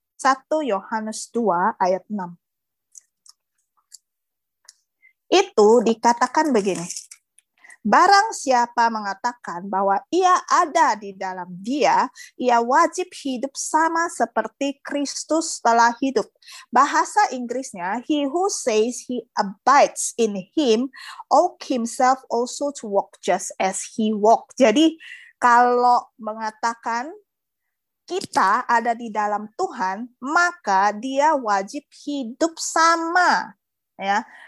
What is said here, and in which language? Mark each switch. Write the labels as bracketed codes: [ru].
[id] 1 Yohanes 2 ayat 6. Itu dikatakan begini. Barang siapa mengatakan bahwa ia ada di dalam dia, ia wajib hidup sama seperti Kristus telah hidup. Bahasa Inggrisnya, [en] he who says he abides in him, ought himself also to walk just as he walked. [id] Jadi, kalau mengatakan kita ada di dalam Tuhan, maka dia wajib hidup sama. Ya.